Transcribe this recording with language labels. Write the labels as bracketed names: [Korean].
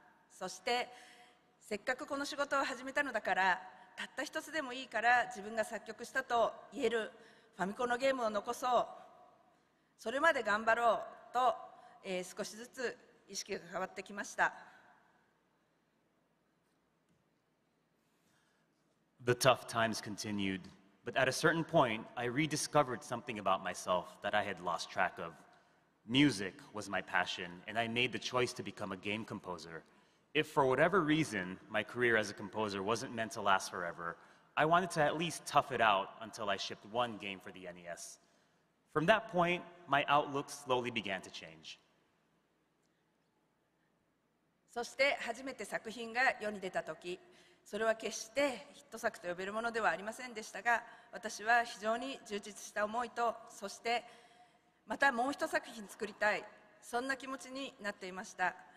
[Japanese] そして、せっかくこの仕事を始めたのだから、たった一つでもいいから自分が作曲したと言えるファミコンのゲームを残そう。それまで頑張ろうと、少しずつ意識が変わってきました。 [English] The tough times continued, but at a certain point, I rediscovered something about myself that I had lost track of. Music was my passion, and I made the choice to become a game composer. If for whatever reason my career as a composer wasn't meant to last forever, I wanted to at least tough it out until I shipped one game for the NES. From that point, my outlook slowly began to change. [Japanese] そして初めて作品が世に出た時、それは決してヒット作と呼べるものではありませんでしたが、私は非常に充実した思いと、そしてまたもう一作品作りたい、そんな気持ちになっていました。